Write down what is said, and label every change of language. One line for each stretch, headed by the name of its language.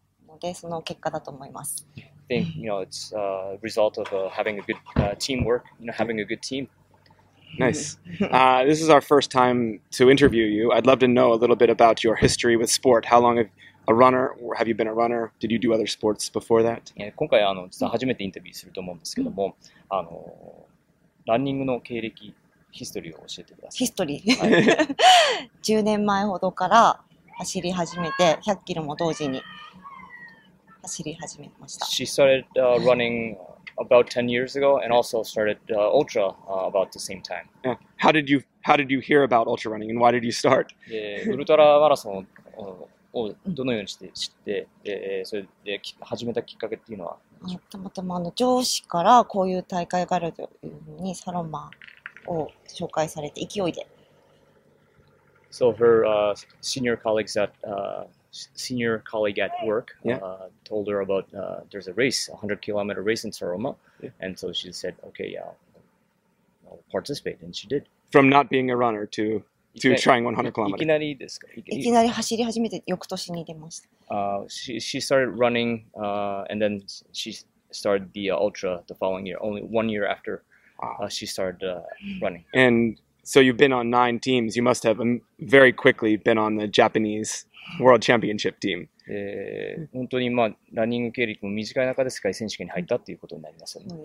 Japanese: 選手は女子もメダルも取られましたし、団体でも優勝して、しかも男子でも1位に取って、入賞もみんなして、さらに団体優勝とした。それに関してどう考えてますか?どう感じてますか?そうですね。日本はチームワークがとてもいいので、その結果だと思います。
English: I think, it's a result of having a good teamwork, having a good team. Nice. This is our first time to interview you. I'd love to know a little bit about your history with sport. How long have you been a runner? Or have you been a runner? Did you do other sports before that?
Japanese: 今回あの実は初めてインタビューすると思うんですけども、あのランニングの経歴、ヒストリーを教えてください。ヒストリー。 10年前ほどから走り始めて、100キロも同時に走り始めました。
English: She started running about 10 years ago and also started ultra about the same time. Yeah. How did you hear about ultra running and why did you start?
Japanese: ウルトラマラソンをどのようにして知って、それで始めたきっかけっていうのは？たまたまあの上司からこういう大会があるというふうにサロマを紹介されて勢いで。
English: So her senior colleagues at senior colleague at work told her about there's a race, a 100 kilometer race in Saroma, and so she said, okay, I'll participate, and she did. From not being a runner to trying 100 kilometers.
Japanese: いきなりですか？いきなり走り始めて翌年に出ました。
English: She started running, and then she started the ultra the following year, only 1 year after she started running. And so you've been on 9 teams. You must have very quickly been on the Japanese World Championship team.
Japanese: 本当に、まあ、ランニング経歴も短い中で世界選手権に入ったということになりますよね。